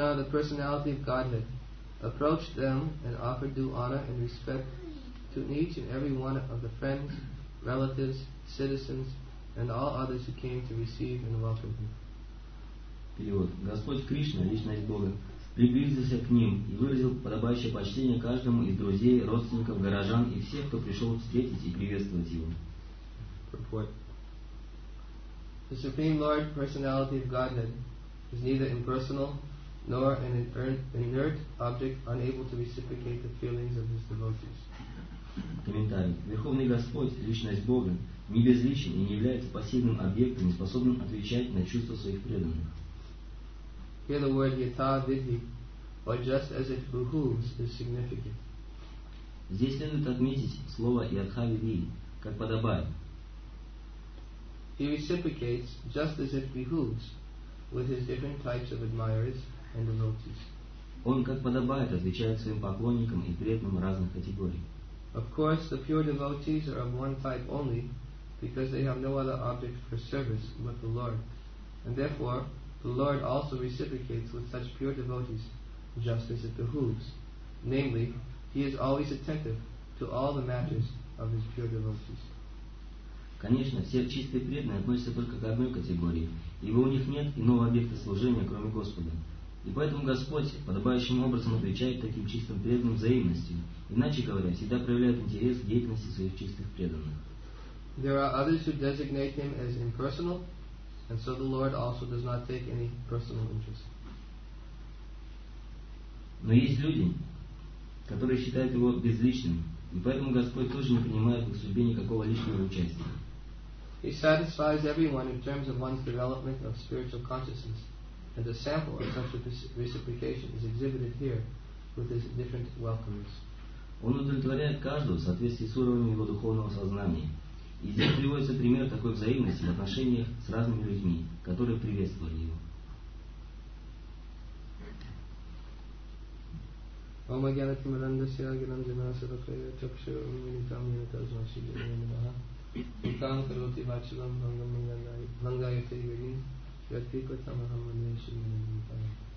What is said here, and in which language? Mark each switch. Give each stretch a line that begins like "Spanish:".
English: Personality of Godhead, approached them and offered due honor and respect to each and every one of the friends, relatives, citizens, and all others who came to receive and welcome him.
Russian: Перевод. Господь Кришна, личность Бога, приблизился к ним и выразил подобающее почтение каждому из друзей, родственников, горожан и всех, кто пришел встретить и приветствовать его.
English: Purport. The Supreme Lord, Personality of Godhead, is neither impersonal nor an inert object unable to reciprocate the feelings of his devotees.
Russian: Комментарий. Верховный Господь, личность Бога, не безличен и не является пассивным объектом, способным отвечать на чувства своих преданных.
English: Hear the word yata vidhi, or just as it behooves, is significant.
Russian: Здесь следует отметить слово yata vidhi, как подобает.
English: He reciprocates just as it behooves with his different types of admirers. And
Russian: Он, как подобает, отвечает своим поклонникам и преданным разных категорий.
English: Of course, the pure devotees are of one type only, because they have no other object for service but the Lord. And therefore, the Lord also reciprocates with such pure devotees, just as it behooves. Namely, he is always attentive to all the matters of his pure devotees.
Russian: Конечно, все чистые преданные относятся только к одной категории, ибо у них нет иного объекта служения, кроме Господа. И поэтому Господь подобающим образом отвечает таким чистым преданным взаимностью, иначе говоря, всегда проявляет интерес к деятельности своих чистых преданных.
English: There are others who designate him as impersonal, and so the Lord also does not take any personal interest.
Russian: Но есть люди, которые считают его безличным, и поэтому Господь тоже не принимает в их судьбе никакого личного участия.
English: He satisfies everyone in terms of one's development of spiritual consciousness. And a sample of such a reciprocation is exhibited here with his different welcomes.
Russian: Он удовлетворяет каждого в соответствии с уровнем его духовного сознания. И здесь приводится пример такой взаимности в отношениях с разными людьми, которые приветствовали его.
Sanskrit: Ом агьянатимарандасья агьянанджанасадакая чакшарам винитам винитазмаси гирамидаха Виттам кароти вачилам вангайате ивелин Вяттипатам ахамманеши гирамидаха.